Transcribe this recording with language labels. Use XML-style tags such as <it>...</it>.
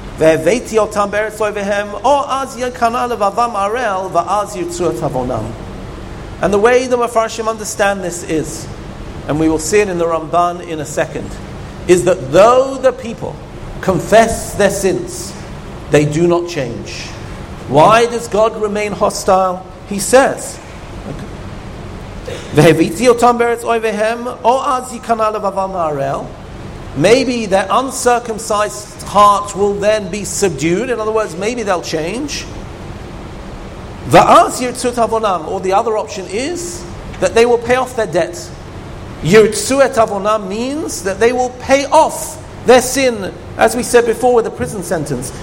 <he>והבאתי אותם בארץ אויביהם, או אז יקנה לבבם ערל, ואז ירצו את עוונם.</he> <en>And the way the Mefarshim understand this is, and we will see it in the Ramban in a second, is that though the people confess their sins, they do not change. Why does God remain hostile? He says,</en> <he>והביתי אותם בארץ אויביהם, או אז יקנה לבבם ערל.</he> <en>Maybe their uncircumcised heart will then be subdued. In other words, maybe they'll change.</en> <he>Va'az yirtzu et avonam,</he> <en>or the other option is that they will pay off their debt.</en> <he>Yirtzu et avonam</he> <en>means that they will pay off their sin, as we said before with the prison sentence.</en>